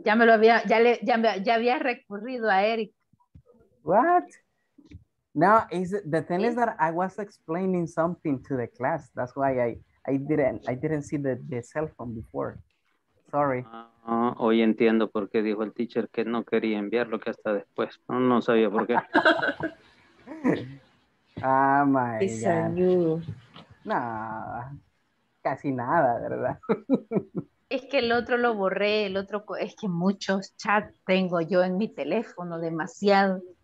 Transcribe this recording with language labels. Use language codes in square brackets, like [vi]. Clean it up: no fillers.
[es] Ya me lo había, ya había recurrido a Eric. [en] What? No, is the thing is that I was explaining something to the class. That's why I didn't see the cell phone before. Sorry. [es] Hoy entiendo por qué dijo el teacher que no quería enviarlo, que hasta después. No sabía por qué. [en] Ah, oh my it's God. A new... [es] No, casi nada, ¿verdad? Es que el otro lo borré, el otro, es que muchos chats tengo yo en mi teléfono, demasiado.